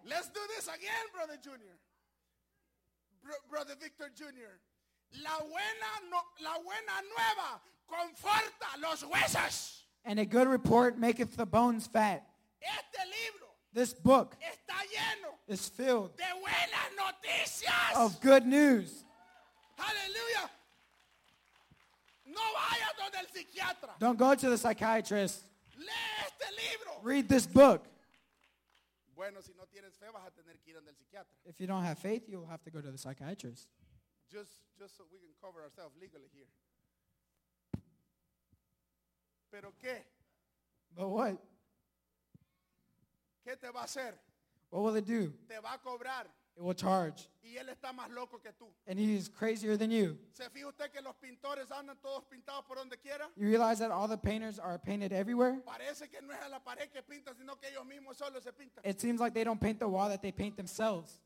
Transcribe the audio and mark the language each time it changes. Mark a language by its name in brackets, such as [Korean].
[English] Let's do this again, Brother Junior. Brother Victor Junior. [Spanish] La buena nueva conforta los huesos. [English] And a good report maketh the bones fat. [Spanish] Este libro, [English] this book, [Spanish] está lleno, [English] is filled [Spanish] de buenas noticias, [English] of good news. Hallelujah. [Spanish] No vaya donde el psiquiatra. [English] Don't go to the psychiatrist. [Spanish] Lee este libro. [English] Read this book. [Spanish] Bueno, si no tienes fe, vas a tener que ir donde el psiquiatra. [English] If you don't have faith, you'll have to go to the psychiatrist. Just so we can cover ourselves legally here. [Spanish] ¿Pero qué? [English] But what? [Spanish] ¿Qué te va a hacer? [English] What will it do? [Spanish] Te va a cobrar. [English] It will charge. [Spanish] Y él está más loco que tú. [English] And he is crazier than you. [Spanish] ¿Se fija usted que los pintores andan todos pintados por donde quiera? [English] You realize that all the painters are painted everywhere? [Spanish] Parece que no es a la pared que pintan, sino que ellos mismos solo se pintan. [English] It seems like they don't paint the wall, that they paint themselves.